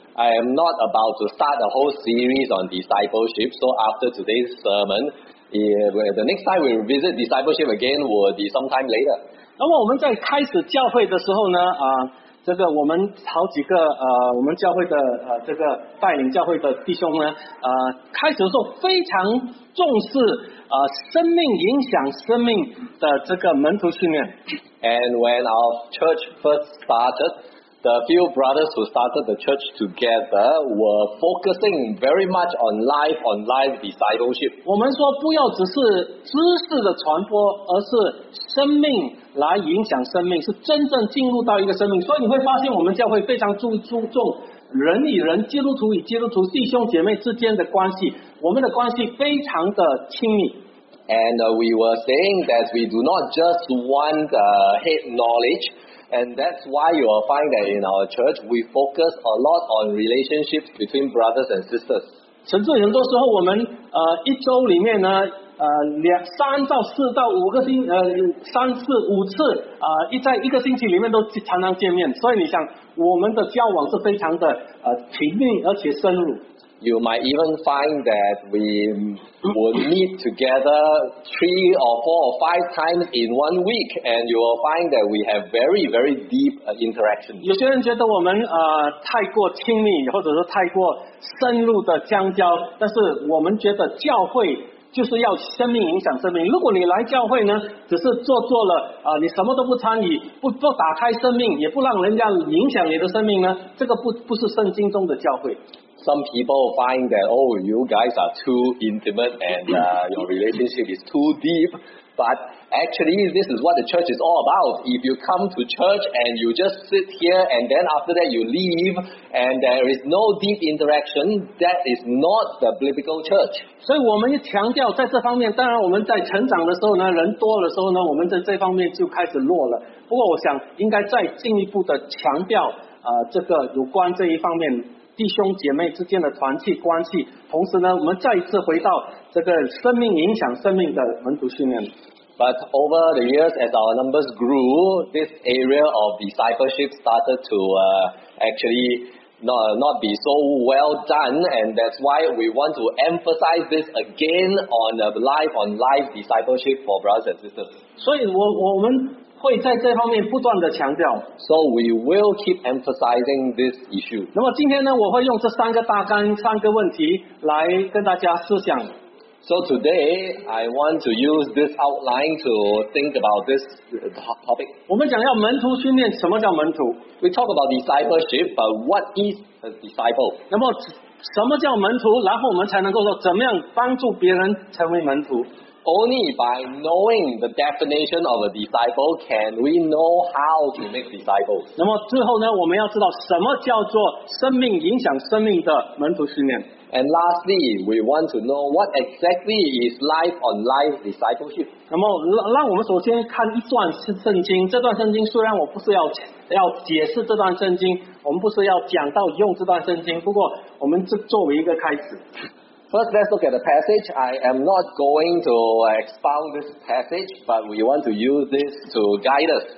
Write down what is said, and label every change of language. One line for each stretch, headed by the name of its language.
English: I am not about to start a whole series on discipleship. So after today's sermon. Yeah, the next time we visit discipleship again will be sometime later.
Chinese: 那么我们在开始教会的时候呢, 这个我们好几个, 我们教会的, 这个带领教会的弟兄呢, 开始的时候非常重视, 生命影响生命的这个门徒训练。
English: And when our church first started, the few brothers who started the church together were focusing very much on life, discipleship.
Chinese: 我们说不要只是知识的传播, 而是生命来影响生命, 是真正进入到一个生命, 所以你会发现我们教会非常注重人与人, 基督徒与基督徒, 弟兄姐妹之间的关系, 我们的关系非常的亲密。
English: And we were saying that we do not just want head knowledge, and that's why you will find that in our church, we focus a lot on relationships between brothers and sisters.
Chinese: 甚至很多时候我们, 一周里面呢, 三到四到五个星, 三四五次, 在一个星期里面都常常见面, 所以你想, 我们的交往是非常的, 频率, 而且深入。
English: You might even find that we will meet together 3 or 4 or 5 times in 1 week, and you will find that we have very, very deep interactions.
Chinese: 有些人觉得我们 太过亲密, 或者说太过深入的相交, 但是我们觉得教会就是要生命影响生命。如果你来教会呢, 只是做了, 你什么都不参与, 不打开生命, 也不让人家影响你的生命呢, 这个不是圣经中的教会。
English: some people find that, oh, you guys are too intimate and your relationship is too deep. But actually, this is what the church is all about. If you come to church and you just sit here and then after that you leave and there is no deep interaction, that is not the biblical church.
Chinese: 所以我们强调在这方面，当然我们在成长的时候呢，人多的时候呢，我们在这方面就开始落了。不过我想应该再进一步的强调这个有关这一方面弟兄姐妹之间的团契关系，同时呢，我们再一次回到这个生命影响生命的门徒训练。
English: But over the years, as our numbers grew, this area of discipleship started to actually not be so well done, and that's why we want to emphasize this again on a life on life discipleship for brothers and sisters.
Chinese: 所以我们会在这方面不断的强调。
English: So we will keep emphasizing this issue.
Chinese: 那么今天呢，我会用这三个大纲、三个问题来跟大家思想。
English: So today, I want to use this outline to think about this topic.
Chinese: 我们讲要门徒训练，什么叫门徒？
English: We talk about discipleship, but what is a disciple?
Chinese: 那么什么叫门徒？然后我们才能够说怎么样帮助别人成为门徒。
English: Only by knowing the definition of a disciple can we know how to make disciples.
Chinese: 那么最后呢，我们要知道什么叫做生命影响生命的门徒训练。
English: And lastly, we want to know what exactly is life on life discipleship.
Chinese: 那么让我们首先看一段圣经。这段圣经虽然我不是要解释这段圣经，我们不是要讲到用这段圣经，不过我们这作为一个开始。
English: First, let's look at the passage. I am not going to expound this passage, but we want to use this to guide us.